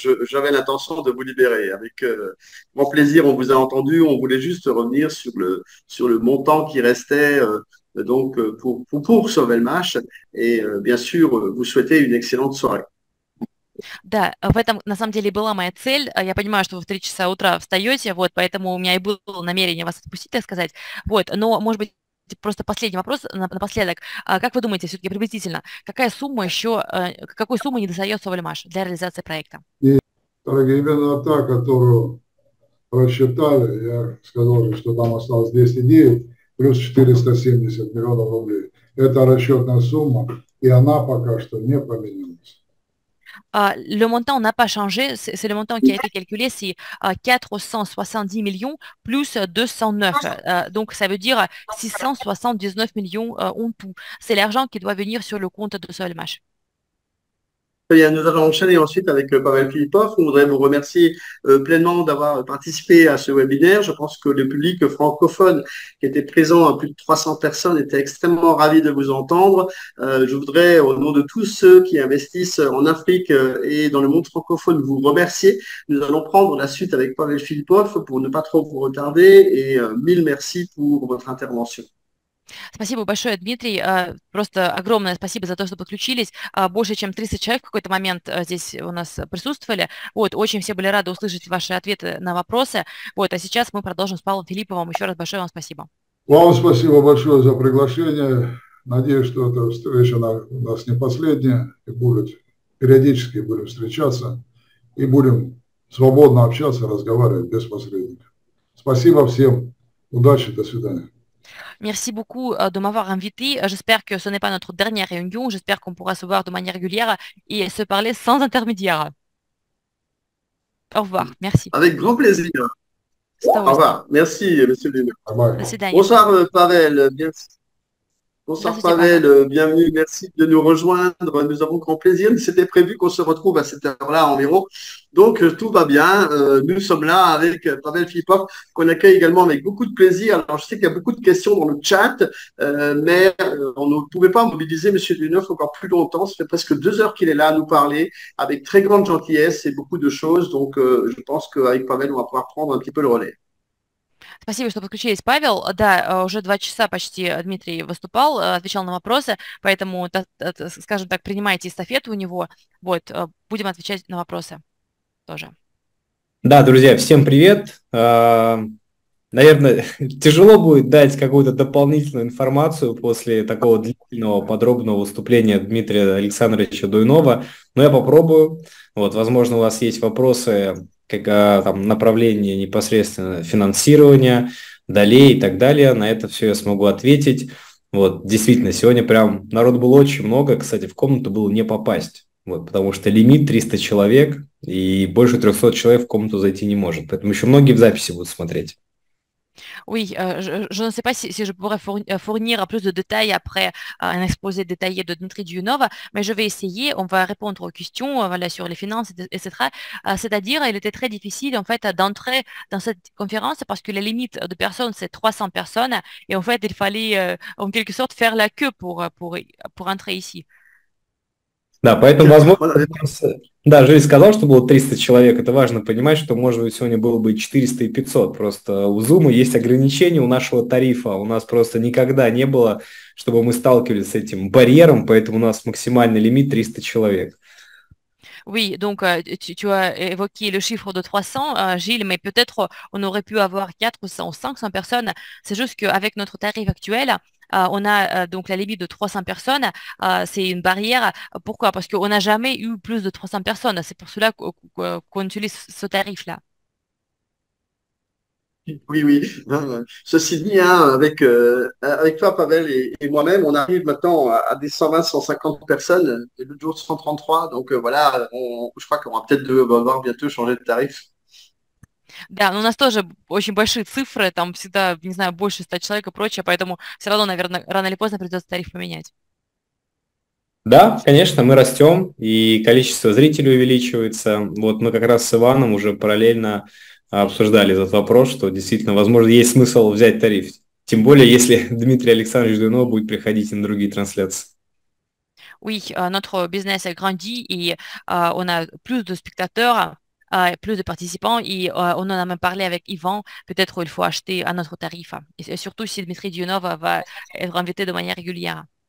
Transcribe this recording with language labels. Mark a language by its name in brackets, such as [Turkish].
[French] J'avais l'intention de vous libérer. Avec grand plaisir, on vous a entendu. On voulait juste revenir sur le montant qui restait donc pour Sauvelmash. Et bien sûr, vous souhaitez une excellente soirée. [Russian] Да, в этом на самом деле была моя цель. Я понимаю, что вы в 3 часа утра встаете, вот, поэтому у меня и было намерение вас отпустить, так сказать. Вот, но, может быть, просто последний вопрос напоследок. Как вы думаете, все-таки приблизительно, какой суммы не достается Вальмаш для реализации проекта? Дорогие, именно та, которую рассчитали, я сказал, что там осталось 209 плюс 470 миллионов рублей. Это расчетная сумма, и она пока что не поменялась. [French] Le montant n'a pas changé, c'est le montant qui a été calculé, c'est 470 millions plus 209. Donc ça veut dire 679 millions en tout. C'est l'argent qui doit venir sur le compte de Solmash. Et nous allons enchaîner ensuite avec Pavel Filipov. On voudrait vous remercier pleinement d'avoir participé à ce webinaire. Je pense que le public francophone qui était présent, à plus de 300 personnes, était extrêmement ravi de vous entendre. Je voudrais, au nom de tous ceux qui investissent en Afrique et dans le monde francophone, vous remercier. Nous allons prendre la suite avec Pavel Filipov pour ne pas trop vous retarder et mille merci pour votre intervention. [Russian] Спасибо большое, Дмитрий. Просто огромное спасибо за то, что подключились. Больше, чем 30 человек в какой-то момент здесь у нас присутствовали. Вот, очень все были рады услышать ваши ответы на вопросы. Вот, а сейчас мы продолжим с Павлом Филипповым. Еще раз большое вам спасибо. Вам спасибо большое за приглашение. Надеюсь, что эта встреча у нас не последняя и будет периодически будем встречаться и будем свободно общаться, разговаривать без посредников. Спасибо всем. Удачи, до свидания. [French] Merci beaucoup de m'avoir invité. J'espère que ce n'est pas notre dernière réunion. J'espère qu'on pourra se voir de manière régulière et se parler sans intermédiaire. Au revoir. Merci. Avec grand plaisir. Au revoir. Merci, monsieur le président. Bonsoir, Pavel. Bonsoir, Pavel. Bienvenue. Merci de nous rejoindre. Nous avons grand plaisir. C'était prévu qu'on se retrouve à cette heure-là environ. Donc, tout va bien. Nous sommes là avec Pavel Filipov, qu'on accueille également avec beaucoup de plaisir. Alors, je sais qu'il y a beaucoup de questions dans le chat, mais on ne pouvait pas mobiliser M. Duneuf encore plus longtemps. Ça fait presque 2 heures qu'il est là à nous parler avec très grande gentillesse et beaucoup de choses. Donc, je pense qu'avec Pavel, on va pouvoir prendre un petit peu le relais. [Russian] Спасибо, что подключились, Павел. Да, уже 2 часа почти Дмитрий выступал, отвечал на вопросы, поэтому, скажем так, принимайте эстафету у него. Вот, будем отвечать на вопросы тоже. Да, друзья, всем привет. Наверное, тяжело будет дать какую-то дополнительную информацию после такого длительного, подробного выступления Дмитрия Александровича Дуйнова, но я попробую. Вот, возможно, у вас есть вопросы. Как там направление непосредственно финансирования, долей и так далее. На это все я смогу ответить. Вот, действительно, сегодня прям народу было очень много. Кстати, в комнату было не попасть. Вот, потому что лимит 300 человек, и больше 300 человек в комнату зайти не может. Поэтому еще многие в записи будут смотреть. [French] Oui, je ne sais pas si je pourrais fournir plus de détails après un exposé détaillé de Dmitri Dyunov, mais je vais essayer, on va répondre aux questions voilà, sur les finances, etc. C'est-à-dire, il était très difficile en fait, d'entrer dans cette conférence parce que la limite de personnes, c'est 300 personnes, et en fait, il fallait en quelque sorte faire la queue pour entrer ici. [Russian] Да, поэтому, возможно, да, Жиль сказал, что было 300 человек, это важно понимать, что, может быть, сегодня было бы 400 и 500, просто у Zoom есть ограничения у нашего тарифа, у нас просто никогда не было, чтобы мы сталкивались с этим барьером, поэтому у нас максимальный лимит 300 человек. [French] Oui, donc tu as évoqué le chiffre de 300, Gilles, mais peut-être on aurait pu avoir 400 ou 500 personnes. C'est juste qu'avec notre tarif actuel, on a donc la limite de 300 personnes. C'est une barrière. Pourquoi? Parce qu'on n'a jamais eu plus de 300 personnes. C'est pour cela qu'on utilise ce tarif-là. Oui. Ceci dit, hein, avec toi, Pavel et moi-même, on arrive maintenant à des 120, 150 personnes, et le jour 133. Donc voilà, je crois qu'on va peut-être devoir bientôt changer de tarif. [Russian] Да, но у нас тоже очень большие цифры, там всегда, не знаю, больше 100 человек и прочее, поэтому все равно, наверное, рано или поздно придется тариф поменять. Да, конечно, мы растем, и количество зрителей увеличивается. Вот мы как раз с Иваном уже параллельно обсуждали этот вопрос, что действительно, возможно, есть смысл взять тариф. Тем более, если Дмитрий Александрович Дуйнов будет приходить на другие трансляции. [French] Oui, notre business a grandi, [Russian] и [French] on a plus de spectateurs, plus de participants, et on en a même parlé avec Yvan, peut-être il faut acheter un autre tarif, et surtout si Dmitri Dyunov va être invité de manière régulière.